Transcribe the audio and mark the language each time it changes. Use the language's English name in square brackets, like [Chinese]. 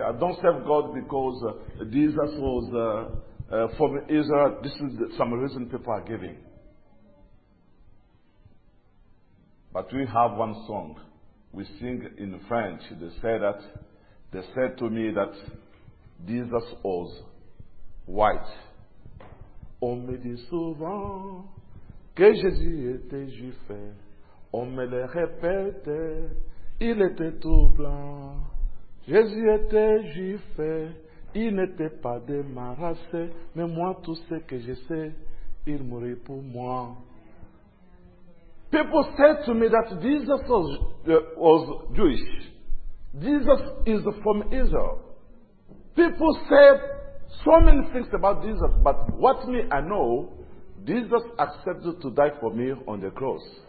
[English] I don't serve God because Jesus was from Israel. This is some reason people are giving. But we have one song we sing in French. They say that, they said to me that Jesus was white. [French] On me dit souvent que Jésus était juif, on me le répète, il était tout blanc. Jésus était juif, il n'était pas de ma race, mais moi tout ce que je sais, il mourut pour moi. [English] People said to me that Jesus was Jewish. Jesus is from Israel. People say so many things about Jesus, but what me I know, Jesus accepted to die for me on the cross.